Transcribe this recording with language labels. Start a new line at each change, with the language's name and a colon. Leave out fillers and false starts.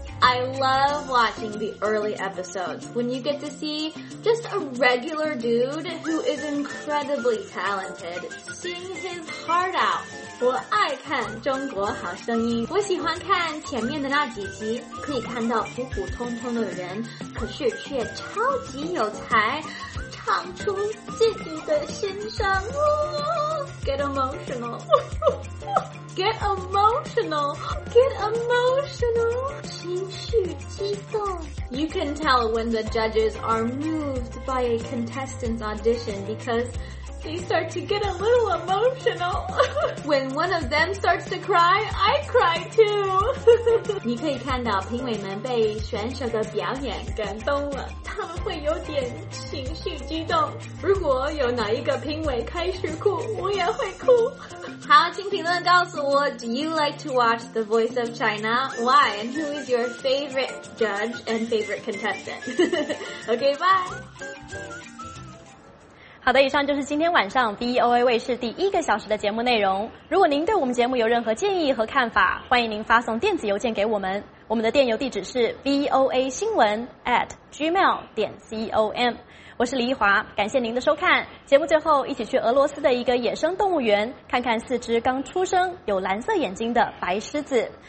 English: I love watching the early episodes when you get to see just a regular dude who is incredibly talented sing his heart out.
Chinese: 我爱看中国好声音，我喜欢看前面的那几集，可以看到普普通通的人，可是却超级有才，唱出自己的心声。
English: Get emotional. Get emotional. Get emotional. You can tell when the judges are moved by a contestant's audition because they start to get a little emotional. When one of them starts to cry, I cry too.
Chinese: 你可以看到评委们被选手的表演感动了，他们会有点情绪激动。如果有哪一个评委开始哭，我也会哭。好，请评论告诉我
English: Do you like to watch The Voice of China? Why? And who is your favorite judge and favorite contestant? OK, bye!
Chinese: 好的，以上就是今天晚上 VOA 卫视第一个小时的节目内容。如果您对我们节目有任何建议和看法，欢迎您发送电子邮件给我们。我们的电邮地址是 voasinwen@gmail.com。我是李一华，感谢您的收看。节目最后，一起去俄罗斯的一个野生动物园，看看四只刚出生、有蓝色眼睛的白狮子。